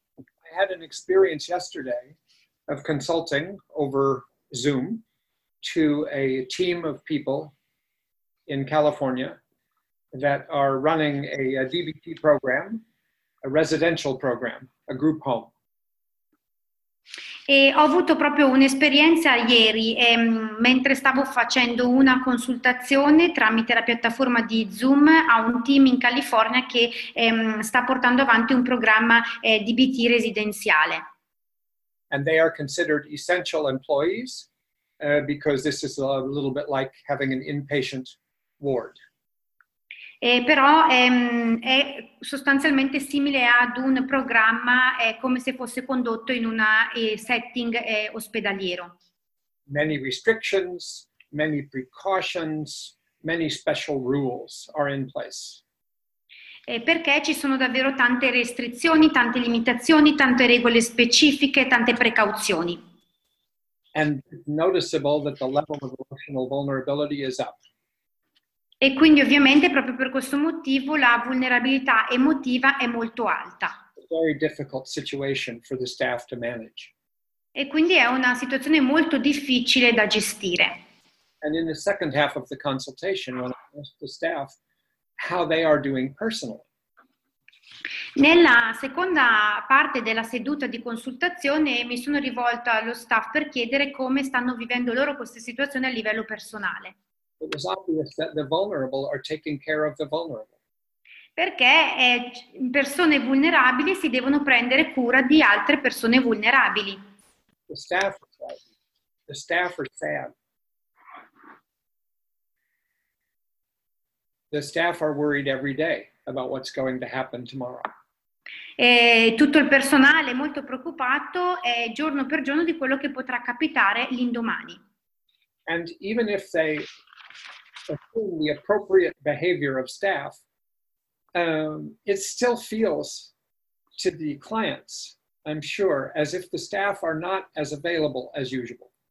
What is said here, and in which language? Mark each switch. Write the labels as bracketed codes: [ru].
[en] I had an experience yesterday of consulting over Zoom to a team of people in California that are running a DBT program, a residential program, a group home. [it] E ho avuto proprio un'esperienza ieri, mentre stavo facendo una consultazione tramite la piattaforma di Zoom a un team in California che sta portando avanti un programma DBT residenziale. [en] And they are considered essential employees because this is a little bit like having an inpatient ward. [it] Però è sostanzialmente simile ad un programma, è come se fosse condotto in una setting ospedaliero. [en] Many restrictions, many precautions, many special rules are in place. [it] Perché ci sono davvero tante restrizioni, tante limitazioni, tante regole specifiche, tante precauzioni. [en] And it's noticeable that the level of emotional vulnerability is up. [it] E quindi ovviamente proprio per questo motivo la vulnerabilità emotiva è molto alta. [en] Very difficult situation for the staff to manage. [it] E quindi è una situazione molto difficile da gestire. [en] And in the second half of the consultation, when I asked the staff how they are doing personally. [it] Nella seconda parte della seduta di consultazione mi sono rivolta allo staff per chiedere come stanno vivendo loro questa situazione a livello personale. [en] It was obvious that the vulnerable are taking care of the vulnerable. [it] Perché persone vulnerabili si devono prendere cura di altre persone vulnerabili. [en] The staff are sad. The staff are worried every day about what's going to happen tomorrow. [it] E tutto il personale è molto preoccupato giorno per giorno di quello che potrà capitare l'indomani. [en] And even if they assume the appropriate behavior of staff, it still feels to the clients, I'm sure, as if the staff are not as available as usual.